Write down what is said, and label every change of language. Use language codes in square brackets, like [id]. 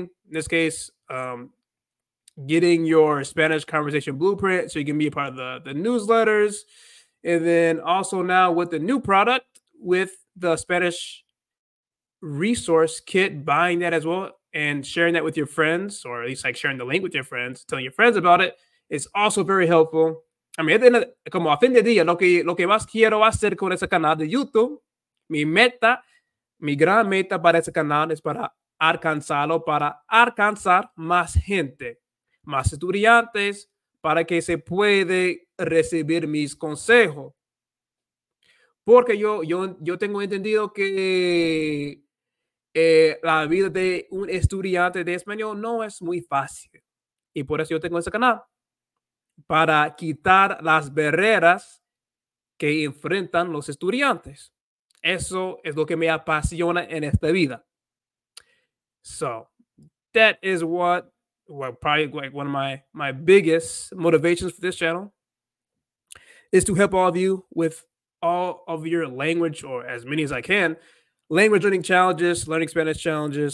[en] In this case, getting your Spanish Conversation Blueprint so you can be a part of the newsletters. And then also now with the new product, with the Spanish resource kit, buying that as well and sharing that with your friends, or at least like sharing the link with your friends, telling your friends about it. It's also very helpful. I mean, [es] como a fin de día, lo que más quiero hacer con ese canal de YouTube, mi gran meta para ese canal es para alcanzar más gente, más estudiantes, para que se puede recibir mis consejos. Porque yo tengo entendido que la vida de un estudiante de español no es muy fácil. Y por eso yo tengo ese canal. Para quitar las barreras que enfrentan los estudiantes. Eso es lo que me apasiona en esta vida. [en] So, that is probably one of my biggest motivations for this channel is to help all of you with all of your language, or as many as I can, language learning challenges, learning Spanish challenges.